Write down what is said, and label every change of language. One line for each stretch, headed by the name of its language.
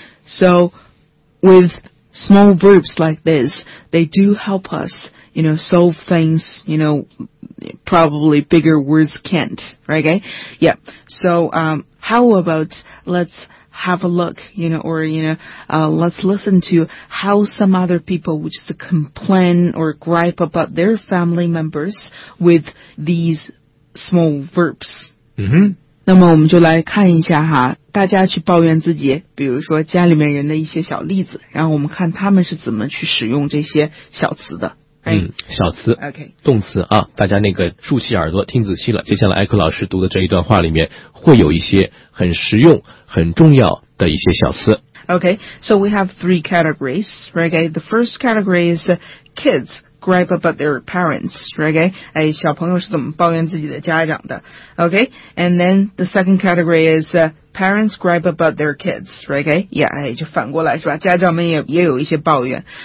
English: So, with small verbs like this, they do help us, you know, solve things, you know, probably bigger words can't, right? Okay? Yeah. So, how about let's have a look, you know, or, you know, let's listen to how some other people would just complain or gripe about their family members with these small verbs. Mm-hmm.
Chinese: 那么我们就来看一下哈，大家去抱怨自己，比如说家里面人的一些小例子，然后我们看他们是怎么去使用这些小词的。小词，OK，动词啊，大家那个竖起耳朵听仔细了。接下来艾克老师读的这一段话里面会有一些很实用、很重要的一些小词。
English: Okay, so we have three categories, right? Okay, the first category is kids gripe about their parents, right? Okay,
Chinese: 小朋友是怎么抱怨自己的家长的
English: ？Okay, and then the second category is parents gripe about their kids, right?
Chinese: Okay, yeah, 哎，就反过来是吧？家长们也有一些抱怨。